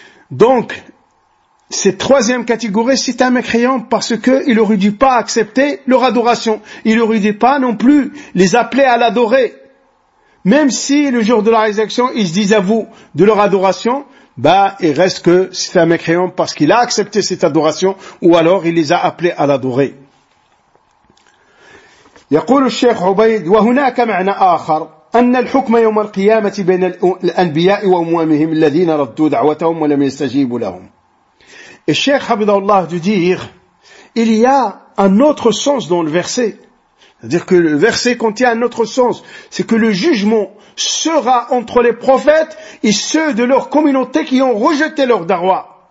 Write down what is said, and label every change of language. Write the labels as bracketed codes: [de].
[fr] Donc, cette troisième catégorie, c'est un mécréant parce qu'il aurait dû pas accepter leur adoration. Il aurait dû pas non plus les appeler à l'adorer. Même si le jour de la résurrection, ils se disent à vous de leur adoration, il reste que c'est un mécréant parce qu'il a accepté cette adoration ou alors il les a appelés à l'adorer. [ar] يقول الشيخ عبيد: وهناك معنى آخر أن الحكم يوم القيامة بين الأنبياء وأمومهم الذين ردوا دعوتهم ولم يستجيبوا لهم. الشيخ حفظه الله يقول: [fr] il y a un autre sens dans le verset. C'est-à-dire que le verset contient un autre sens. C'est que le jugement sera entre les prophètes et ceux de leur communauté qui ont rejeté leur da'wa.